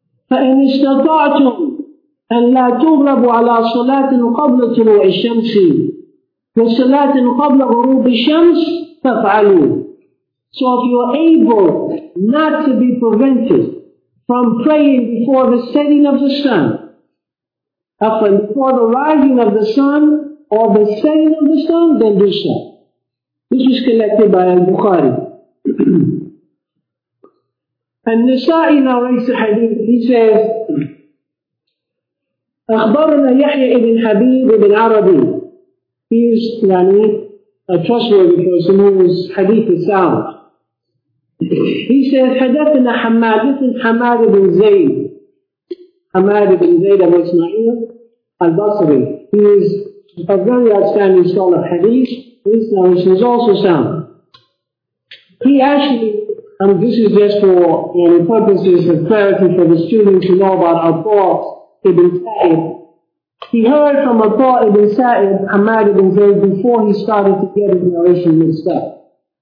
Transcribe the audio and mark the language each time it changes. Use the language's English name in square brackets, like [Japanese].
[Arabic] فَإِنْ اسْتَطَعْتُمْ أَنْ لَا تُغْرَبُوا عَلَىٰ صَلَاةٍ قَبْلَ تُلُوعِ الشَّمْسِ وَصَلَاةٍ قَبْلَ غُرُوبِ الشَّمْسِ فَفْعَلُوا [English] So if you are able not to be prevented from praying before the setting of the sun, before the rising of the sun or the setting of the sun, then do so. This is collected by Al-Bukhari. النسائي narrates a hadith. He says, [Arabic] أخبرنا [English] يحيى بن حبيب بن عربي. He is يعني, a trustworthy person who is hadith sound. He says, [Arabic] حدثنا [English] حماد بن حماد بن زيد. [Arabic] حماد بن زيد أبو إسماعيل البصري. [English] He is a very outstanding scholar of hadith. This narration is also sound. He actually, and this is just for purposes of clarity for the students to know about Al-Tawr ibn Sa'id. He heard from Al-Tawr ibn Sa'id, Hamad ibn Zayd, before he started to get his narration mixed up.